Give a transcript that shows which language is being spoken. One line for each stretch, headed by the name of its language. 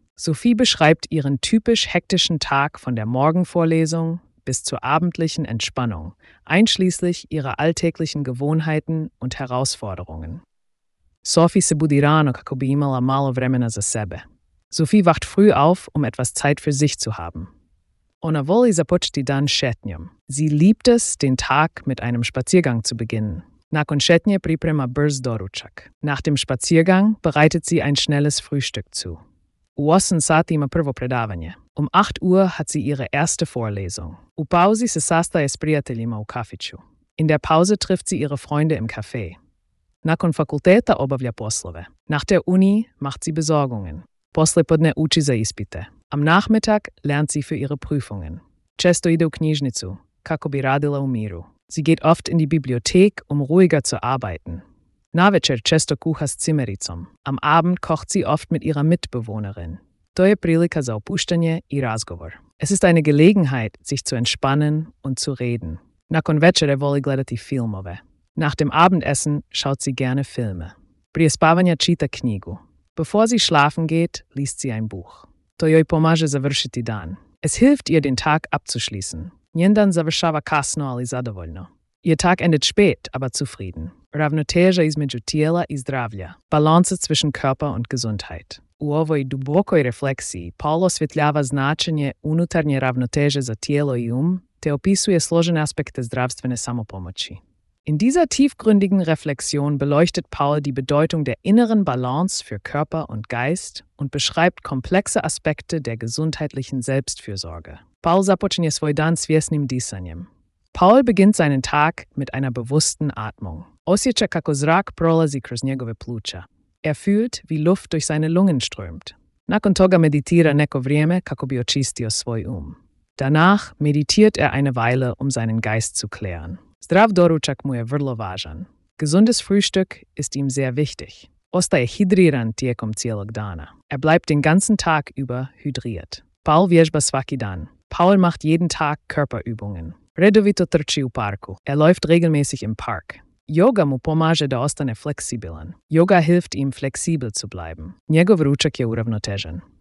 German: Sophie beschreibt ihren typisch hektischen Tag von der Morgenvorlesung bis zur abendlichen Entspannung, einschließlich ihrer alltäglichen Gewohnheiten und Herausforderungen.
Croatian: Sophie se budi rano kako bi imala malo vremena za sebe.
German: Sophie wacht früh auf, um etwas Zeit für sich zu haben.
Croatian: Ona voli započeti dan šetnjom.
German: Sie liebt es, den Tag mit einem Spaziergang zu beginnen.
Croatian: Nakon šetnje priprema brz doručak.
German: Nach dem Spaziergang bereitet sie ein schnelles Frühstück zu.
Croatian: U 8 sati ima prvo predavanje.
German: Um 8 Uhr hat sie ihre erste Vorlesung.
Croatian: U pauzi se sastaje s prijateljima u kafiću.
German: In der Pause trifft sie ihre Freunde im Café.
Croatian: Nakon fakulteta obavlja poslove.
German: Nach der Uni macht sie Besorgungen.
Croatian: Posle podne uči za ispite.
German: Am Nachmittag lernt sie für ihre Prüfungen.
Croatian: Često ide u knjižnicu, kako bi radila u miru.
German: Sie geht oft in die Bibliothek, um ruhiger zu arbeiten.
Croatian: Navečer često kuha s cimericom.
German: Am Abend kocht sie oft mit ihrer Mitbewohnerin.
Croatian: To je prilika za opuštanje i razgovor.
German: Es ist eine Gelegenheit, sich zu entspannen und zu reden.
Croatian: Nakon večere voli gledati filmove.
German: Nach dem Abendessen schaut sie gerne Filme.
Croatian: Prije spavanja čita knjigu.
German: Bevor sie schlafen geht, liest sie ein Buch.
Croatian: To joj pomaže završiti dan.
German: Es hilft ihr, den Tag abzuschließen.
Croatian: Njen dan završava kasno, ali zadovoljno.
German: Ihr Tag endet spät, aber zufrieden.
Croatian: Ravnoteža između tijela i zdravlja.
German: Balance zwischen Körper und Gesundheit.
Croatian: U ovoj dubokoj refleksiji Paul osvjetljava značenje unutarnje ravnoteže za tijelo i um, te opisuje složene aspekte zdravstvene samopomoći.
German: In dieser tiefgründigen Reflexion beleuchtet Paul die Bedeutung der inneren Balance für Körper und Geist und beschreibt komplexe Aspekte der gesundheitlichen Selbstfürsorge.
Croatian: Paul započinje svoj dan svjesnim disanjem.
German: Paul beginnt seinen Tag mit einer bewussten Atmung.
Croatian: Osjeća kako zrak prolazi kroz njegove pluća.
German: Er fühlt, wie Luft durch seine Lungen strömt.
Croatian: Nakon toga meditira neko vrijeme kako bi očistio svoj um.
German: Danach meditiert er eine Weile, um seinen Geist zu klären.
Croatian: Zdrav doručak mu je vrlo važan.
German: Gesundes Frühstück ist ihm sehr wichtig.
Croatian: Ostaje hidriran tijekom cijelog dana.
German: Er bleibt den ganzen Tag über hydriert.
Croatian: Paul vježba svaki dan.
German: Paul macht jeden Tag Körperübungen.
Croatian: Redovito trči u parku.
German: Er läuft regelmäßig im Park.
Croatian: Yoga mu pomaže da ostane fleksibilan.
German: Yoga hilft ihm, flexibel zu bleiben.
Croatian: Njegov ručak je uravnotežen.